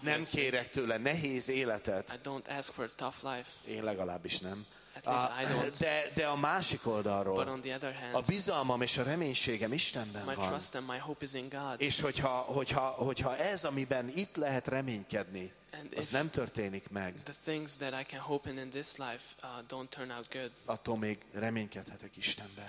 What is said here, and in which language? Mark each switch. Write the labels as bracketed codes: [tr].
[hu] Nem kérek tőle nehéz életet. [en] I don't ask for a tough life. [hu] Én legalábbis nem. [en] At least I don't. [hu] De a másik oldalról, [en] but on the other hand, [hu] a bizalmam és a reménységem Istenben [en] my [hu] van. [en] Trust and my hope is in God. [hu] És hogyha ez, amiben itt lehet reménykedni, [en] and [hu] az nem történik meg, [en] the things that I can hope in this life don't turn out good, [hu] attól még reménykedhetek Istenben.